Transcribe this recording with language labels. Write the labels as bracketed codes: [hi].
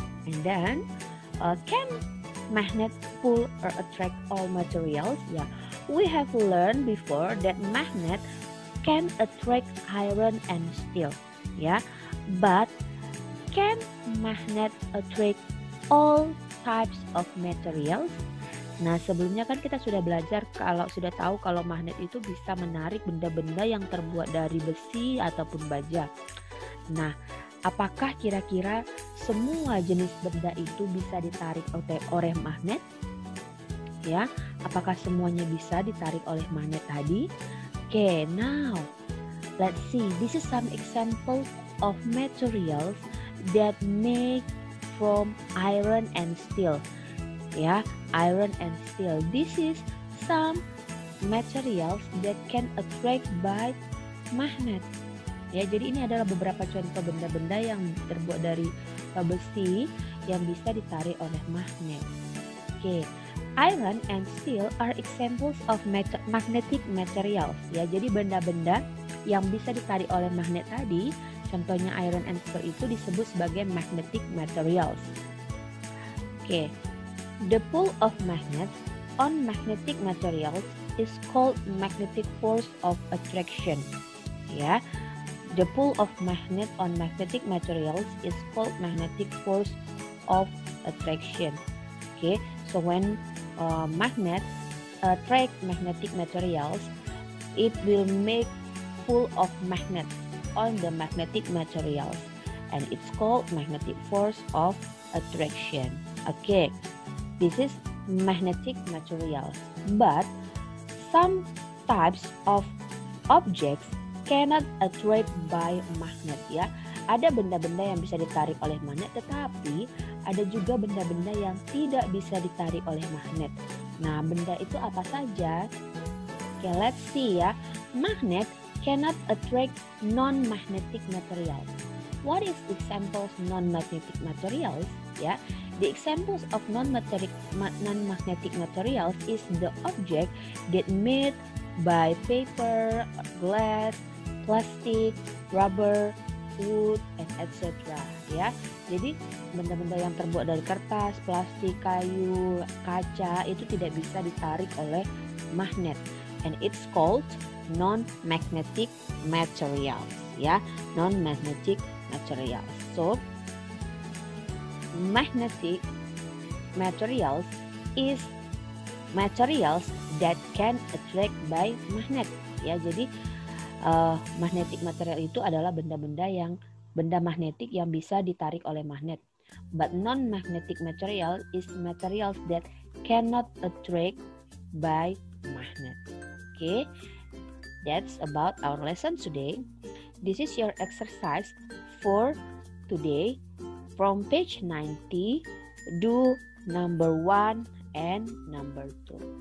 [en] And then, can magnet pull or attract all materials? Ya, we have learned before that magnet can attract iron and steel. Ya, but can magnet attract all types of materials? [id] Nah, sebelumnya kan kita sudah belajar, kalau sudah tahu kalau magnet itu bisa menarik benda-benda yang terbuat dari besi ataupun baja. Nah, apakah kira-kira semua jenis benda itu bisa ditarik oleh magnet? Ya, apakah semuanya bisa ditarik oleh magnet tadi? [en] Okay, now let's see. This is some example of materials that make from iron and steel. Ya, iron and steel. This is some materials that can attract by magnet. [id] Ya, jadi ini adalah beberapa contoh benda-benda yang terbuat dari besi yang bisa ditarik oleh magnet. Oke, okay. [en] Iron and steel are examples of magnetic materials. [id] Ya, jadi benda-benda yang bisa ditarik oleh magnet tadi, contohnya [en] iron and steel [id] itu disebut sebagai magnetic materials. [en] Oke, okay. The pull of magnets on magnetic materials is called magnetic force of attraction. Ya. The pull of magnet on magnetic materials is called magnetic force of attraction. Okay, so when magnet attract magnetic materials, it will make pull of magnet on the magnetic materials, and it's called magnetic force of attraction. Okay, this is magnetic materials. But some types of objects cannot attract by magnet, ya. [id] Ada benda-benda yang bisa ditarik oleh magnet, tetapi ada juga benda-benda yang tidak bisa ditarik oleh magnet. Nah, benda itu apa saja? [en] Okay, let's see, [id] ya. [en] Magnet cannot attract non-magnetic materials. What is examples non-magnetic materials? Ya, the examples of non-magnetic materials is the object that made by paper, glass, plastik, rubber, wood, and etc. [id] Ya, jadi benda-benda yang terbuat dari kertas, plastik, kayu, kaca itu tidak bisa ditarik oleh magnet. [en] And it's called non-magnetic materials. Ya, non-magnetic materials. So, magnetic materials is materials that can attract by magnet. [id] Ya, jadi magnetic material itu adalah benda magnetik yang bisa ditarik oleh magnet. [en] But non-magnetic material is materials that cannot attract by magnet. Okay, that's about our lesson today. This is your exercise for today. From page 90, do number 1 and number 2.